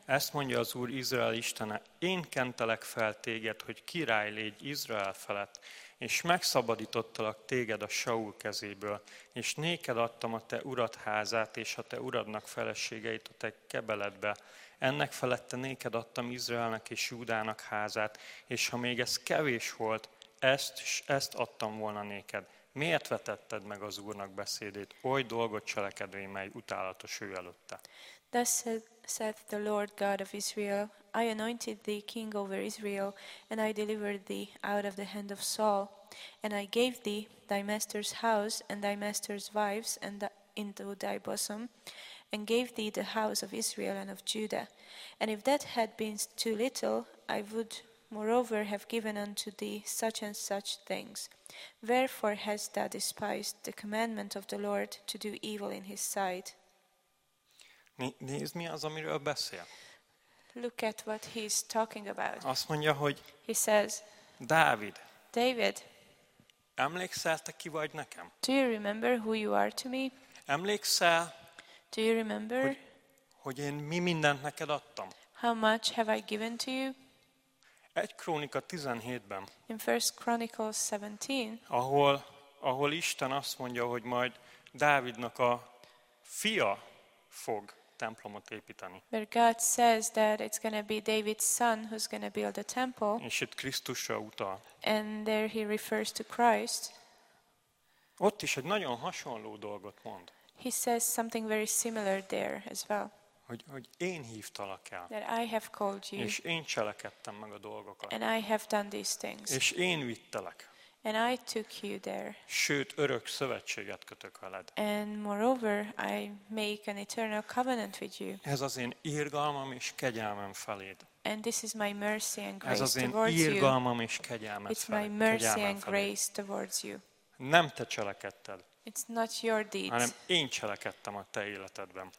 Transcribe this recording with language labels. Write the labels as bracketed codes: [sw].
[hu] Ezt mondja az Úr Izrael Istene, én kentelek fel téged, hogy király légy Izrael felett, és megszabadítottalak téged a Saul kezéből, és néked adtam a te urad házát, és a te uradnak feleségeit a te kebeledbe. Ennek felette néked adtam Izraelnek és Júdának házát, és ha még ez kevés volt, ezt adtam volna néked. Miért vetetted meg az Úrnak beszédét, oly dolgot cselekedvén, mely utálatos ő előtte? [en] Thus saith the Lord God of Israel, I anointed thee king over Israel, and I delivered thee out of the hand of Saul, and I gave thee thy master's house and thy master's wives and into thy bosom, and gave thee the house of Israel and of Judah. And if that had been too little, I would moreover have given unto thee such and such things. Wherefore hast thou despised the commandment of the Lord to do evil in his sight? [hu] Nézd, mi az, amiről beszél. [en] Look at what he's talking about. [hu] Azt mondja, hogy [en] he says, [hu] Dávid. [en] David. [hu] Emlékszel, te ki vagy nekem? [en] Do you remember who you are to me? [hu] Emlékszel? [en] Do you remember? [hu] Hogy én mi mindent neked adtam? [en] How much have I given to you? [hu] Egy Krónika 17-ben. [en] In First Chronicles 17. [hu] Ahol Isten azt mondja, hogy majd Dávidnak a fia fog templomot építeni. [en] Where God says that it's going to be David's son who's going to build the temple. [hu] És itt Krisztusra utal. [en] And there he refers to Christ. [hu] Ott is egy nagyon hasonló dolgot mond. [en] He says something very similar there as well. [hu] Hogy én hívtalak el. [en] That I have called you. [hu] És én cselekedtem meg a dolgokat. [en] And I have done these things. [hu] És én vittelek. [en] And I took you there. [hu] Sőt, örök szövetséget kötök veled. [en] And moreover, I make an eternal covenant with you. [hu] Ez az én irgalmam és kegyelmem feléd. [en] And this is my mercy and grace. [hu] Ez az én irgalmam és kegyelmem feléd. [en] It's my mercy and grace towards you. [hu] Nem te cselekedted. [en] It's not your deeds. [hu] Hanem én cselekedtem a te életedben.